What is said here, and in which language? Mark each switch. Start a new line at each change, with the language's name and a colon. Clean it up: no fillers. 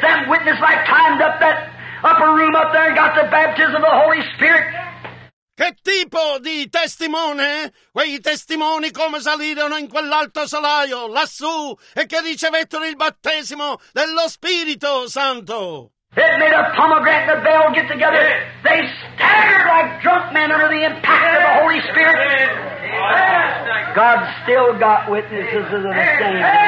English: That witness like climbed up that upper room up there and got the baptism of the Holy Spirit.
Italian: Che tipo di testimone? Quei testimoni come salirono in quell'alto solaio, lassù, e che ricevettero il battesimo dello Spirito Santo.
English: It made a pomegranate and a bell get together. Yeah. They staggered like drunk men under the impact of the Holy Spirit. Yeah. God still got witnesses of the same.